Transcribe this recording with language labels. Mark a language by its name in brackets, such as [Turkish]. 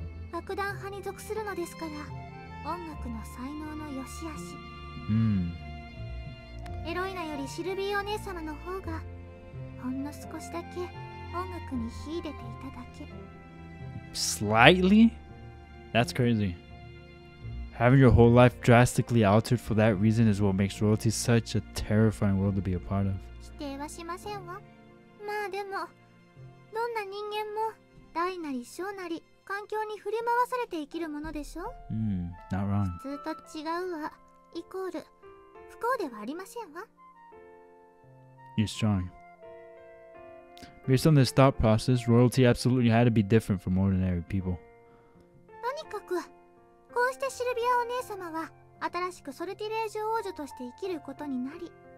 [Japanese] 爆弾派に属するのですから音楽の才能の良し悪し、うん、エロイナよりシルビーお姉様の方がほんの少しだけ音楽に秀でていただけ。 [English] Slightly? That's crazy. Having your whole life drastically altered for that reason is what makes royalty such a terrifying world to be a part of. [Japanese] 否定はしませんわ。まあでもどんな人間も大なり小なり環境に振り回されて生きるものでしょ。 [English] Not wrong. [Japanese] 普通と違うわ。イコール不幸ではありませんわ。 [English] You're strong. Based on this thought process, royalty absolutely had to be different from ordinary people. [Japanese] とにかくこうしてシルビアお姉様は新しくソルティレージュ王女として生きることになり。